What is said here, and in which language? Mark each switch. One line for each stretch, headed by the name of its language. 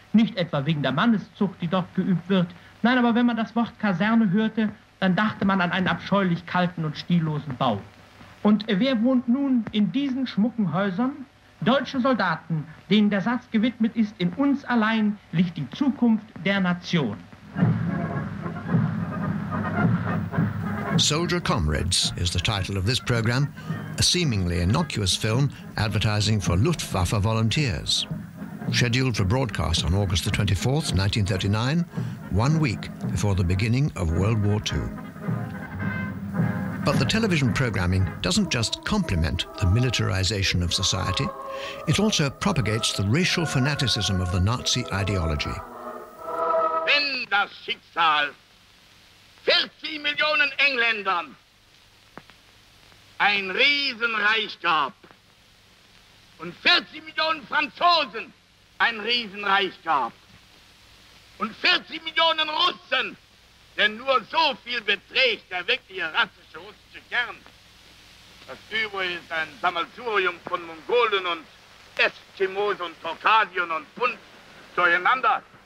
German: Nicht etwa wegen der Manneszucht, die dort geübt wird. Nein, aber wenn man das Wort Kaserne hörte, dann dachte man an einen abscheulich kalten und stillosen Bau. Und wer wohnt nun in diesen schmucken Häusern? Deutsche Soldaten, denen der Satz gewidmet ist, in uns allein liegt die Zukunft der Nation.
English: Soldier Comrades is the title of this program, a seemingly innocuous film advertising for Luftwaffe volunteers. Scheduled for broadcast on August the 24th, 1939, 1 week before the beginning of World War II. But the television programming doesn't just complement the militarization of society, it also propagates the racial fanaticism of the Nazi ideology.
German: Wenn das Schicksal 40 Millionen Engländern ein Riesenreich gab und 40 Millionen Franzosen ein Riesenreich gab und 40 Millionen Russen, denn nur so viel beträgt der wirkliche rassische russische Kern, das übrigens ein Sammelsurium von Mongolen und Eskimos und Turkadien und Punt zueinander,